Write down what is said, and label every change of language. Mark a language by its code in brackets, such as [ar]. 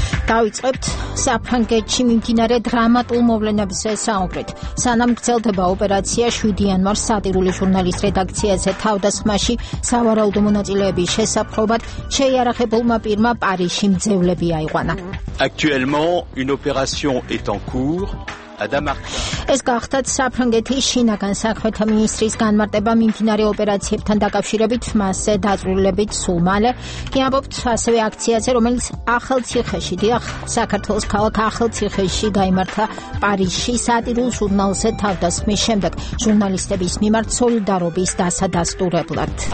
[ka] დავიწყებთ საფრანგეთში მიმდინარე დრამატულ მოვლენებს საუბრით. სანამ გრძელდება ოპერაცია 7 იანვარს სატირული ჟურნალის რედაქციაზე თავდასხმაში სავარაუდო მონაწილეების შესაფრობად შეიარაღებულმა პირმა პარიზში მძევლები აიყვანა. [fr] Actuellement, une opération est en cours. [ka] ეს გახდათ საფრანგეთის შინაგან საქმეთა მინისტრის განმარტება მიმდინარე ოპერაციებთან დაკავშირებით მასზე დაწვრილებით სულ მალე. გიამბობთ ასევე აქციაზე, რომელიც ახალციხეში, დიახ, საქართველოს ქალაქ ახალციხეში გაიმართა პარიზში სატირულ ჟურნალზე თავდასხმის შემდეგ ჟურნალისტების მიმართ სოლიდარობის დასადასტურებლად.